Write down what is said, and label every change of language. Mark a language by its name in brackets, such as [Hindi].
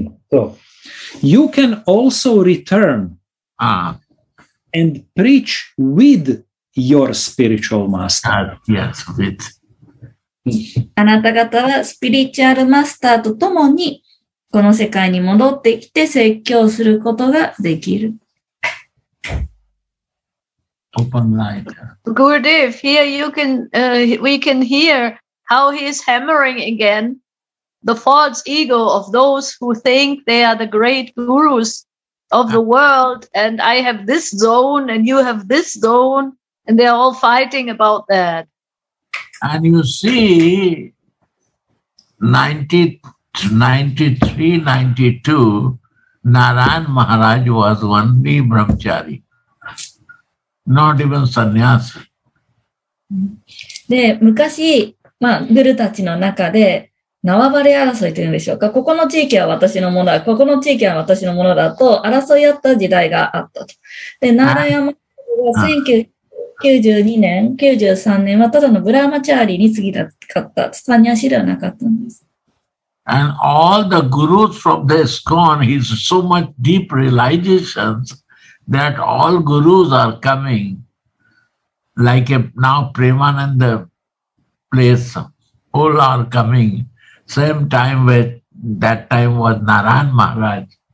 [English] So, you can also return、and preach with your spiritual master. Yes, with. [Japanese] あなた方はスピリチュアルマスターとともにこの世界に戻ってきて説教することができる。 [English] open light. Gurudev, here you can, we can hear how he is hammering again the false ego of those who think they are the great gurus of the world, and I have this zone and you have this zone, and they are all fighting about that. And you see, 1993-92, Narayan Maharaj was only brahmachari, not even sannyasi. [Japanese] で、昔、まあ、グルたちの中で縄張り争いというんでしょうか。ここの地域は私のものだ、ここの地域は私のものだと争い合った時代があったと。で、ナーラヤマは1992年、93年はただのブラーマチャーリーに過ぎなかった。スパニア史ではなかったんです。 [English] And all the gurus from the ISKCON, he's so much deep realizations that all gurus are coming like a, now Premananda place, all are coming. Same time with that time was Narayan Maharaj.